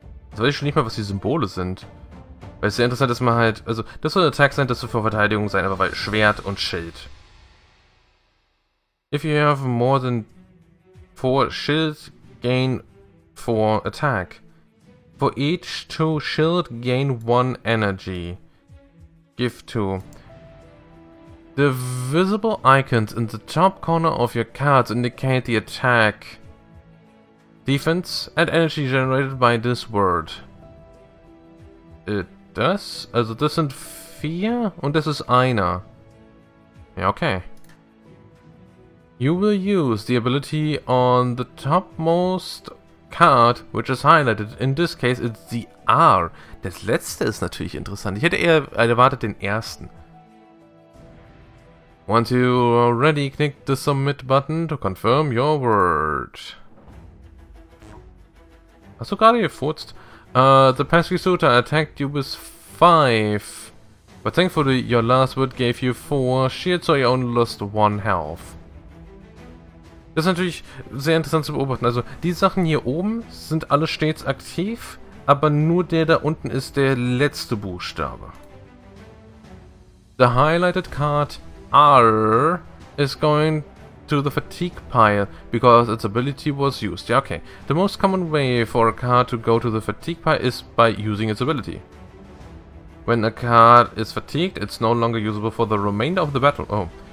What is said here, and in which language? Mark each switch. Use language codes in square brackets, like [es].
[de] Jetzt weiß ich schon nicht mal, was die Symbole sind. Weil es sehr interessant ist, man halt... Also, das soll Attack sein, das soll für Verteidigung sein, aber weil Schwert und Schild. [en] If you have more than four shield, gain four attack. For each two shield, gain one energy. Give two. The visible icons in the top corner of your cards indicate the attack, defense, and energy generated by this word. [de] Das? Also das sind vier und das ist einer. Ja, okay. [en] You will use the ability on the topmost card, which is highlighted. In this case, it's the R. [de] Das letzte ist natürlich interessant. Ich hätte eher erwartet den ersten. [en] Once you are ready, click the submit button to confirm your word. [de] Hast du gerade gefurzt? [en] The pesky suitor attacked you with 5. But thankfully, your last word gave you 4 shields, so you only lost 1 health. [de] Das ist natürlich sehr interessant zu beobachten. Also, die Sachen hier oben sind alle stets aktiv, aber nur der da unten ist der letzte Buchstabe. [en] The highlighted card R is going to the fatigue pile because its ability was used. [de] Ja, okay. [en] The most common way for a card to go to the fatigue pile is by using its ability. When a card is fatigued, it's no longer usable for the remainder of the battle. Oh.